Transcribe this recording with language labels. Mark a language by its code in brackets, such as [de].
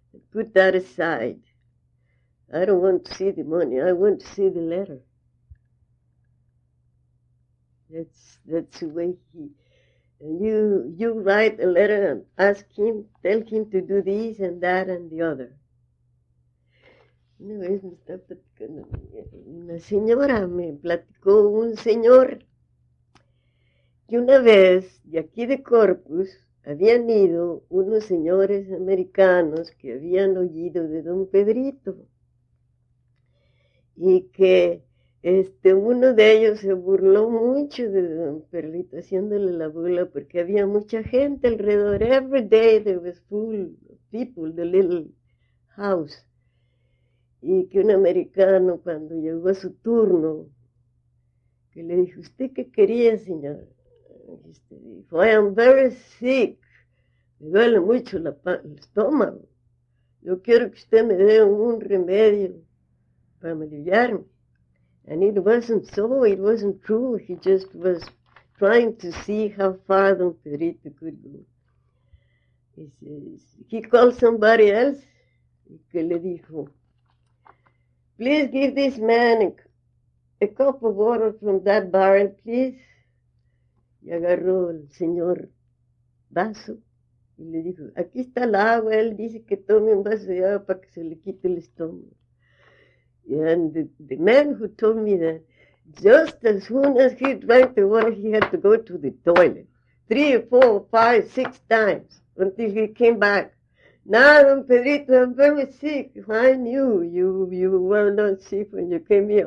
[en] "Put that aside. I don't want to see the money. I want to see the letter." That's the way he... You write a letter and ask him, tell him to do this and that and the other. [es] Una vez me estaba platicando una señora, me platicó un señor que una vez de aquí de Corpus habían ido unos señores americanos que habían oído de don Pedrito y que uno de ellos se burló mucho de don Pedrito haciéndole la burla porque había mucha gente alrededor. [en] Every day there was full people, the little house. [es] Y que un americano, cuando llegó a su turno, que le dijo, "¿Usted qué quería, señor?" Y este dijo, [en] "I am very sick. [es] Me duele mucho el estómago. Yo quiero que usted me dé un remedio para aliviarme." [en] And it wasn't so, it wasn't true. He just was trying to see how far don Pedrito could go. He says, he called somebody else, [es] y que le dijo, [en] "Please give this man a cup of water from that barrel, please." [es] Y agarró el señor vaso y le dijo, "Aquí está el agua, él dice que tome un vaso de agua para que se le quite el estómago." [en] And the man who told me that, just as soon as he drank the water, he had to go to the toilet 3, 4, 5, 6 times until he came back. "Now, Don Pedrito, I'm very sick. I knew you were not sick when you came here.